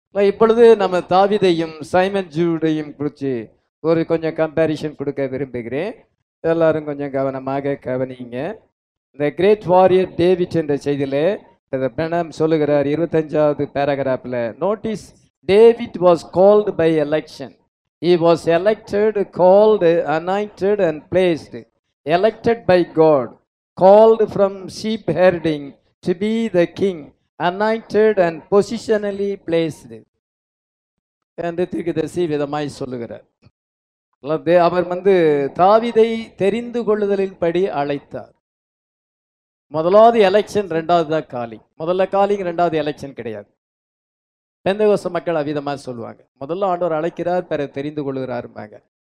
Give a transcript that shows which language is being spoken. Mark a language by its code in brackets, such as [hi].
[ta] இப்பொழுது நம்ம தாவீதையும் சைமன் ஜூடையும் குறித்து ஒரு கொஞ்சம் கம்பேரிஷன் கொடுக்க விரும்புகிறேன். எல்லாரும் கொஞ்சம் கவனமாக கவனிங்க. இந்த கிரேட் வாரியர் டேவிட் என்ற செய்தியில் பிரணம் சொல்லுகிறார். [en] 25 பேராகிராஃபில் notice, David was called by election. He was elected, called, anointed and placed, elected by God, called from sheep herding to be the king, anointed and positionally placed. [ta] என்று தீர்க்கதரிசி விதமாய் சொல்லுகிறார். அவர் வந்து தாவீதை தெரிந்து கொள்ளுதலின்படி அழைத்தார். முதலாவது எலெக்ஷன், ரெண்டாவது தான் காலிங். முதல்ல காலிங், ரெண்டாவது எலெக்ஷன் கிடையாது. பெந்தகோச மக்கள் அவிதமாக சொல்லுவாங்க, முதல்ல ஆண்டவர் அழைக்கிறார், பிற தெரிந்து கொள்கிறாரும்பாங்க.